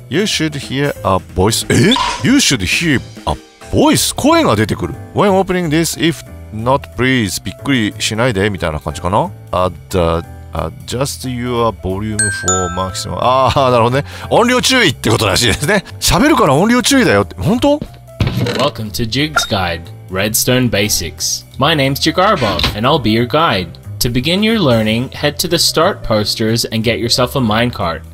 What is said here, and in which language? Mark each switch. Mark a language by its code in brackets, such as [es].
[en] You should hear a voice、 You should hear a voice、 [ja] 声が出てくる。 [en] When opening this, if not please、 [ja] びっくりしないでみたいな感じかな。 [en] Adjust your volume for maximum、 [ja] あー、なるほどね、音量注意ってことらしいですね。喋るから音量注意だよって、本当？ [en] Welcome to Jig's GuideRedstone Basics. My name's Jigarbob, and I'll be your guide. To begin your learning, head to the start posters and get yourself a minecart.